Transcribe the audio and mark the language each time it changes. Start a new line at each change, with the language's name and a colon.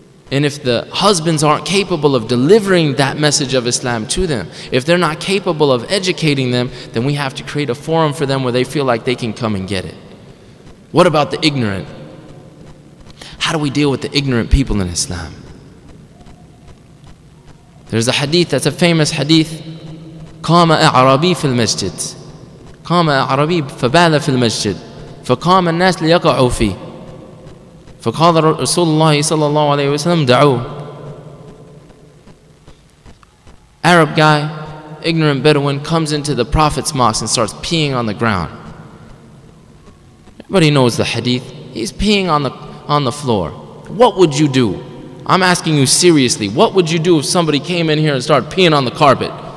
English: And if the husbands aren't capable of delivering that message of Islam to them, if they're not capable of educating them, then we have to create a forum for them where they feel like they can come and get it. What about the ignorant? How do we deal with the ignorant people in Islam? There's a hadith that's a famous hadith.
Arabic: قام أعرابي في المسجد قام أعرابي فبال في المسجد فقام الناس ليقعوا فيه فقال رسول الله صلى الله عليه وسلم دعوه.
English: Arab guy, ignorant Bedouin, comes into the Prophet's mosque and starts peeing on the ground. Everybody knows the hadith. He's peeing on the floor. What would you do? I'm asking you seriously, what would you do if somebody came in here and started peeing on the carpet?